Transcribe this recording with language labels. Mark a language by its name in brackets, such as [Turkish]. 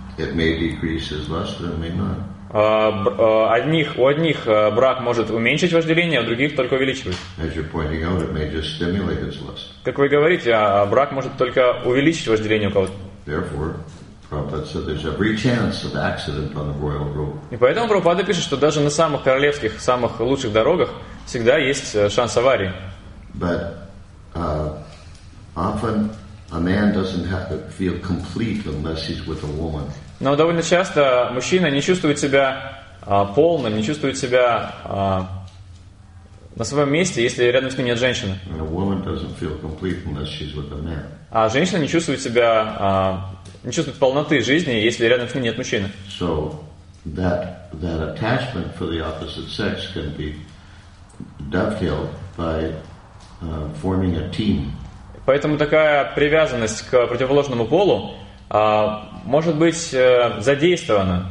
[English] It may decrease his lust, or it may not. [Russian] У одних брак может уменьшить вожделение, а у других только увеличивать. [English] As you're pointing out, it may just stimulate his lust. [Russian] Как вы говорите, брак может только увеличить вожделение у кого-то. [English] Therefore. So there's every chance of accident on the royal road. [Russian] И поэтому Прабхупада пишет, что даже на самых королевских, самых лучших дорогах всегда есть шанс аварии. [English] But often a man doesn't have to feel complete unless he's with a woman. [Russian] Но довольно часто мужчина не чувствует себя полным, не чувствует себя на своем месте, если рядом с ним нет женщины. [English] A woman doesn't feel complete unless she's with a man. [Russian] А женщина не чувствует себя не чувствует полноты жизни, если рядом с ним нет мужчины. [English] So that attachment for the opposite sex can be dovetailed by forming a team. [Russian] Поэтому такая привязанность к противоположному полу может быть задействована.